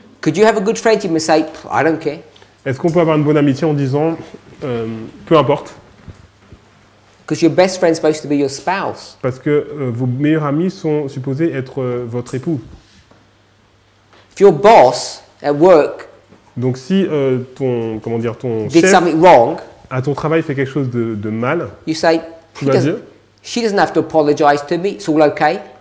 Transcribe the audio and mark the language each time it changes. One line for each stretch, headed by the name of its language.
English: Could you have a good friendship and say, I don't care?
French: Est-ce qu'on peut avoir une bonne amitié en disant, peu importe?
English: Because your best friend is supposed to be your spouse.
French: Parce que vos meilleurs amis sont supposés être votre époux.
English: If your boss at work.
French: Donc si ton comment dire ton
English: did
French: chef
English: something wrong,
French: à ton travail fait quelque chose de mal.
English: You say
French: tu vas dire,
English: she doesn't have to apologize to me. It's all okay.